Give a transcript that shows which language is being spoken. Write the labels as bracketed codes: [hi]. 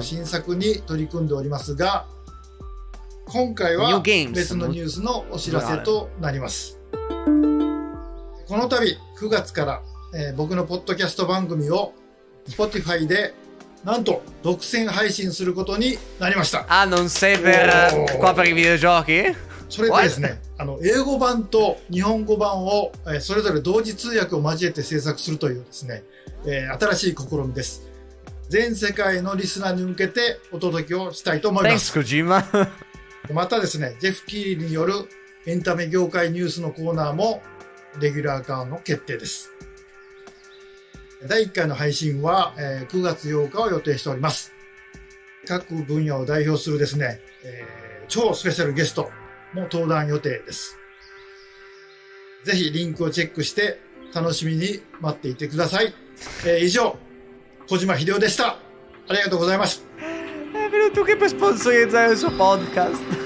[ja] 新作に取り組んでおりますが、今回は別のニュースのお知らせとなります。この度9月から、僕のポッドキャスト番組を Spotify でなんと独占配信することになりました。 [it] Ah, non sei per qua per i videogiochi? [ja] それでですね、あの英語版と日本語版を、それぞれ同時通訳を交えて制作するというですね、新しい試みです。全世界のリスナーに向けてお届けをしたいと思います。 [en] Thanks, Kojima. [ja] またですね、ジェフ・キーリーによるエンタメ業界ニュースのコーナーもレギュラー化の決定です。第1回の配信は、9月8日を予定しております。各分野を代表するですね、超スペシャルゲスト、も登壇予定です。ぜひリンクをチェックして楽しみに待っていてください。以上、小島秀夫でした。ありがとうございます。 [it] È venuto qui per sponsorizzare il suo podcast.